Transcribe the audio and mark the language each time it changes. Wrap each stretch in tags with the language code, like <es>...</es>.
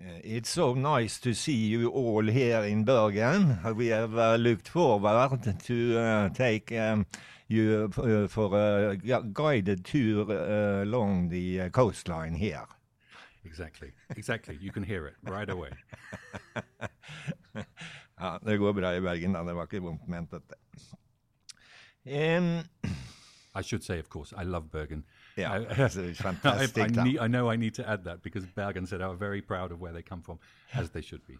<en>It's so nice to see you all here in Bergen. We have looked forward to take you for a guided tour along the coastline here. Exactly. You can hear it right away.</en> <no>Ja, det går bra I Bergen da. Det var ikke vondt ment dette.</no> <en>I should say, of course, I love Bergen. Yeah, it's fantastic. I know I need to add that because Bergen said they are very proud of where they come from, as they should be.</en>